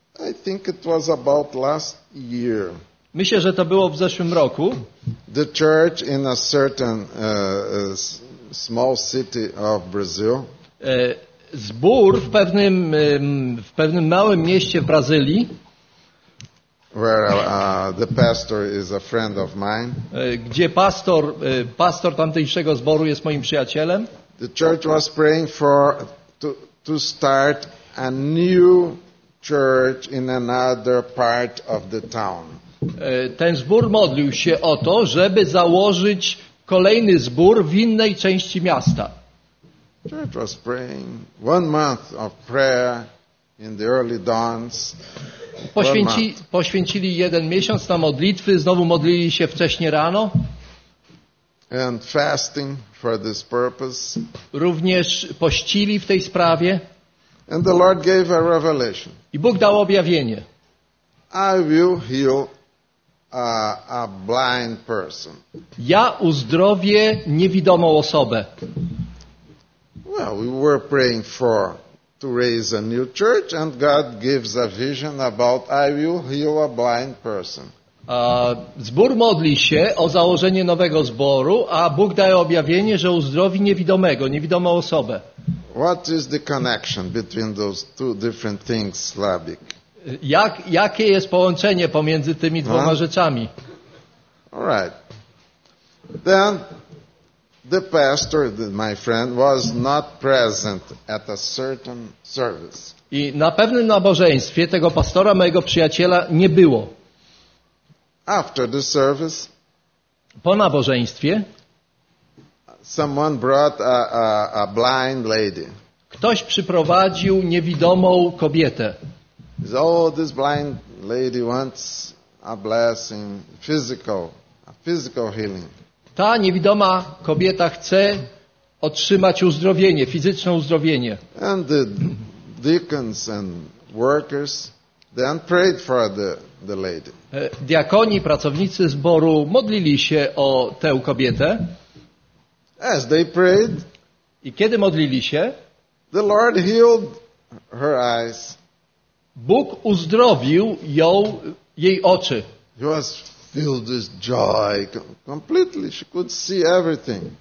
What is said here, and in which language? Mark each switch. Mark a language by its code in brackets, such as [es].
[en] I think it was about last year. [pl] Myślę, że to było w zeszłym roku. [en] The church in a certain small city of Brazil. [pl] Zbór w pewnym małym mieście w Brazylii. [en] Where the pastor is a friend of mine. [pl] Gdzie pastor tamtejszego zboru jest moim przyjacielem. [en] The church was praying for to start a new church in another part of the town. [pl] Ten zbór modlił się o to, żeby założyć kolejny zbór w innej części miasta. [en] Church was praying 1 month of prayer in the early dawns. [pl] Poświęcili 1 miesiąc na modlitwy, znowu modlili się wcześnie rano. [en] And fasting for this purpose. [pl] Również pościli w tej sprawie. [en] And the Lord gave a revelation. [pl] I Bóg dał objawienie. [en] I will heal a blind person. [pl] Ja uzdrowię niewidomą osobę. [en] Well, we were praying for to raise a new church and God gives a vision about I will heal a blind person. [pl] A zbór modli się o założenie nowego zboru, a Bóg daje objawienie, że uzdrowi niewidomego, niewidomą osobę. [en] What is the connection between those two different things, Slabik? [pl] Jakie jest połączenie pomiędzy tymi dwoma rzeczami? [en] All right. Then the pastor, my friend, was not present at a certain service. [pl] I na pewnym nabożeństwie tego pastora, mojego przyjaciela, nie było. [en] After the service. [pl] Po nabożeństwie. [en] Someone brought a blind lady. [pl] Ktoś przyprowadził niewidomą kobietę. [en] Oh, this blind lady wants a blessing, physical healing. [pl] Ta niewidoma kobieta chce otrzymać uzdrowienie, fizyczne uzdrowienie. [en] And the deacons and workers then prayed for the lady. [pl] Diakoni, pracownicy zboru modlili się o tę kobietę. [en] As they prayed, [pl] i kiedy modlili się, [en] the Lord healed her eyes. [pl] Bóg uzdrowił jej oczy. [en] He was filled with joy completely. She could see everything.